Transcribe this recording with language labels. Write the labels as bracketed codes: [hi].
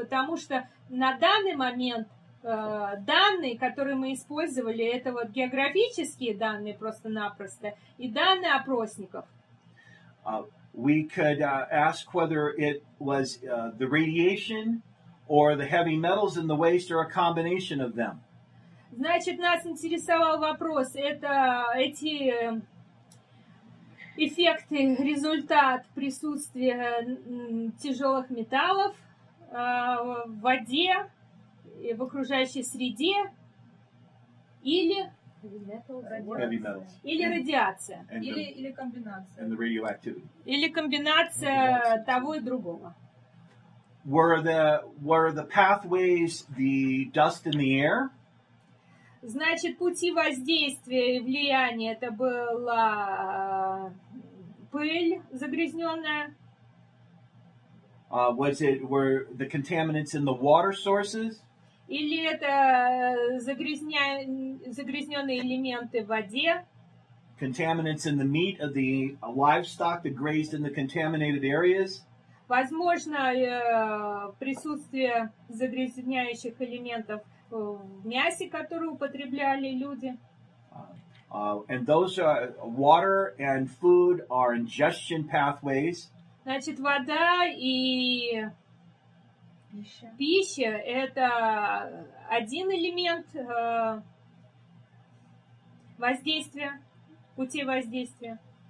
[ru] Потому что на данный момент данные, которые мы использовали, это вот географические данные просто-напросто и данные опросников. [en] We could ask whether it was the radiation or the heavy metals in the waste or a combination of them. [ru] Значит, нас интересовал вопрос, это эти эффекты, результат присутствия тяжелых металлов в воде, в окружающей среде, или... [en] Heavy metals. [ru] Или радиация. Или комбинация. [en] And the radioactivity. [ru] Или комбинация того и другого. [en] Were the pathways the dust in the air? [ru] Значит, пути воздействия и влияния это была пыль загрязненная. [en] Were the contaminants in the water sources? [ru] Или это загрязненные элементы в воде? [en] Contaminants in the meat of the livestock that grazed in the contaminated areas? [ru] Возможно, присутствие загрязняющих элементов в мясе, которое употребляли люди. [en] And those are water and food are ingestion pathways. [ru] Значит, вода и пища – это один элемент воздействия, пути воздействия.